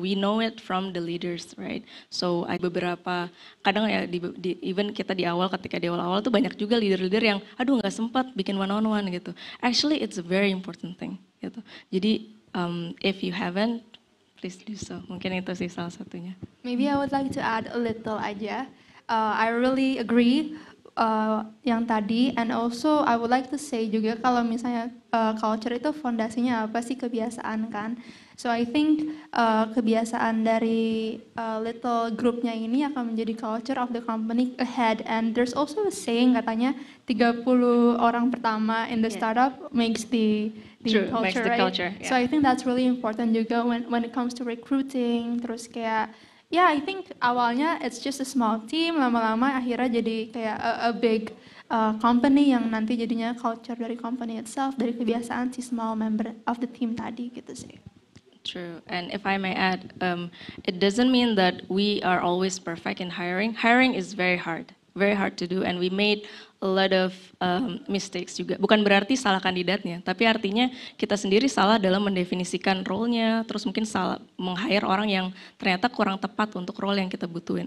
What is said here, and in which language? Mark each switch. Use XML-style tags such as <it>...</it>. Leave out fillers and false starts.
<en>We know it from the leaders, right?</en> <id>So ada beberapa kadang ya di even kita di awal ketika di awal-awal tuh banyak juga leader-leader yang aduh nggak sempat bikin one-on-one gitu.</id> <en>Actually it's a very important thing gitu. Jadi if you haven't, please do so.</en> <id>Mungkin itu sih salah satunya.</id> <en>Maybe I would like to add a little aja. I really agree</en> <id>yang tadi,</id> <en>and also I would like to say</en> <id>juga kalau misalnya culture itu fondasinya apa sih, kebiasaan kan.</id> <en>So I think</en> <id>kebiasaan dari little groupnya ini akan menjadi</id> <en>culture of the company ahead. And there's also a saying</en> <id>katanya 30 orang pertama</id> <en>in the startup makes the culture, makes the culture, right? So I think that's really important juga when it comes to recruiting.</en> <id>Terus kayak I think awalnya</id> <en>it's just a small team,</en> <id>lama-lama akhirnya jadi kayak</id> <en>a big company</en> <id>yang nanti jadinya culture dari company itself, dari kebiasaan si</id> <en>small member of the team</en> <id>tadi gitu sih.</id> <en>True, and if I may add, it doesn't mean that we are always perfect in hiring. Hiring is very hard to do, and we made a lot of mistakes juga.</en> <id>Bukan berarti salah kandidatnya, tapi artinya kita sendiri salah dalam mendefinisikan role-nya, terus mungkin salah meng-hire orang yang ternyata kurang tepat untuk role yang kita butuhin.</id>